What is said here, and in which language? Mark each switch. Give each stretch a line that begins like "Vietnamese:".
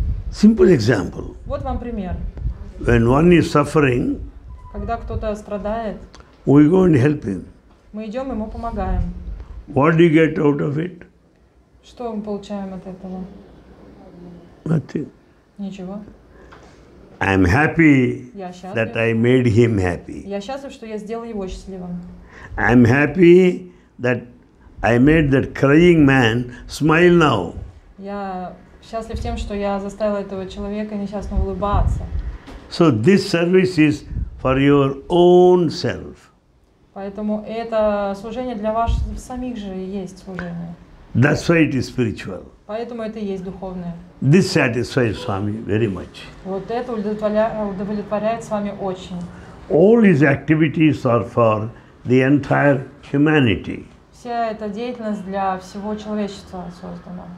English: Simple example.
Russian: Вот вам пример.
English: When one is suffering.
Russian: Когда кто-то страдает.
English: We go and help him.
Russian: Мы идем, ему помогаем.
English: What do you get out of it?
Russian: Что мы получаем от этого?
English: Nothing.
Russian: Ничего.
English: I am happy that I made him happy.
Russian: Я счастлив, что я сделал его счастливым.
English: I am happy that I made that crying man smile now.
Russian: Я счастлив тем, что я заставил этого человека несчастного улыбаться.
English: So this service is for your own self.
Russian: Поэтому это служение для вас самих же есть служение.
English: That's why it is spiritual.
Russian: Поэтому это и есть духовное.
English: This satisfies Swami very much.
Russian: Вот это удовлетворяет Свами очень.
English: All his activities are for the entire humanity.
Russian: Вся эта деятельность для всего человечества создана.